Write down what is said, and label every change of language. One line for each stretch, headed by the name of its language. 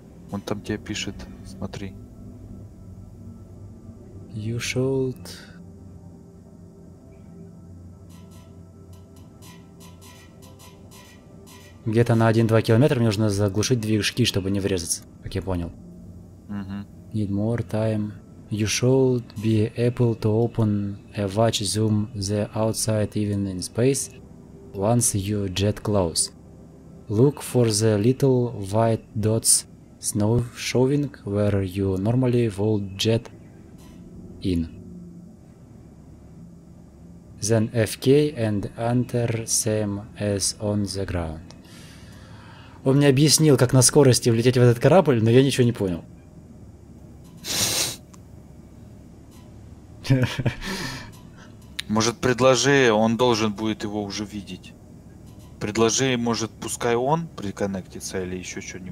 Russian: Он там тебе пишет, смотри.
English: You should...
Russian: Где-то на 1-2 километра мне нужно заглушить движки, чтобы не врезаться, как я понял.
English: Need more time. You should be able to open a watch zoom the outside even in space once you jet close. Look for the little white dots snow showing where you normally would jet in. Then FK and enter same as on the ground.
Russian: Он мне объяснил, как на скорости влететь в этот корабль, но я ничего не понял. Может, предложи, он должен будет его уже видеть. Предложи, может, пускай он приконнектится или еще что-нибудь.